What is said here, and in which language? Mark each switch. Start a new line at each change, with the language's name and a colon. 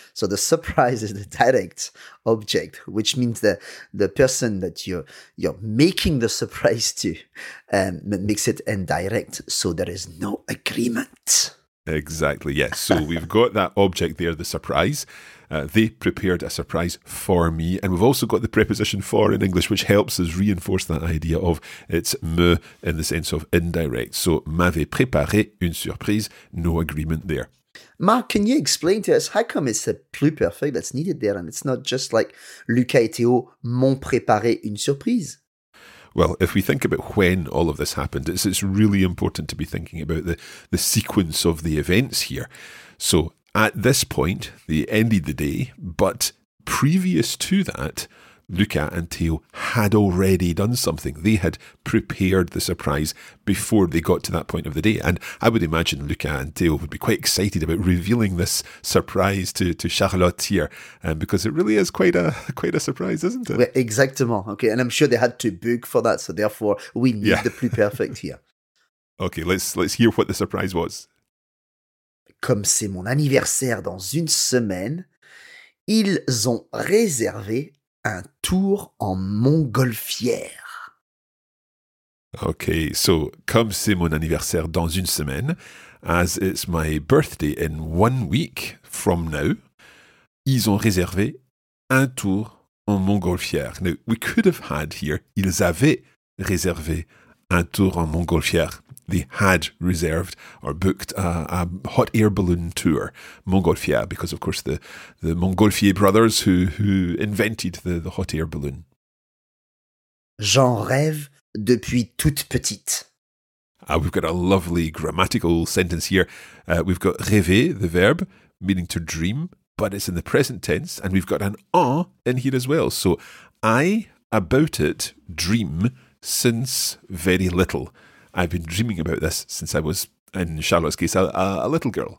English: So the surprise is the direct object, which means the person that you're making the surprise to makes it indirect. So there is no agreement. Exactly, yes. So we've got that object there, the surprise. They prepared a surprise for me. And we've also got the preposition for in English, which helps us reinforce that idea of it's me in the sense of indirect.
French: So m'avait préparé une surprise.
English: No agreement there. Mark, can you explain to us how come it's a pluperfect that's needed there? And it's not just like
French: Lucas et Théo m'ont préparé une surprise.
English: Well, if we think about when all of this happened, it's really important to be thinking about the sequence of the events here. So at this point, they ended the day, but previous to that, Luca and Theo had already done something. They had prepared the surprise before they got to that point of the day. And I would imagine Luca and Theo would be quite excited about revealing this surprise to Charlotte here, because it really is quite a surprise, isn't it? Well,
French: exactement.
English: Okay, and I'm sure they had to book for that, so therefore we need the pluperfect here. Okay, let's hear what the surprise was.
French: Comme c'est mon anniversaire dans une semaine, ils ont réservé un tour en montgolfière.
English: Okay, so
French: comme c'est mon anniversaire dans une semaine,
English: as it's my birthday in 1 week from now,
French: ils ont réservé un tour en montgolfière.
English: Now, we could have had here,
French: ils avaient réservé un tour en montgolfière.
English: They had reserved or booked a hot air balloon tour, Montgolfier, because, of course, the Montgolfier brothers who invented the hot air balloon.
French: J'en rêve depuis toute petite.
English: We've got a lovely grammatical sentence here. We've got rêver, the verb, meaning to dream, but it's in the present tense, and we've got an en in here as well. So I about it dream since very little. I've been dreaming about this since I was, in Charlotte's case, a little girl.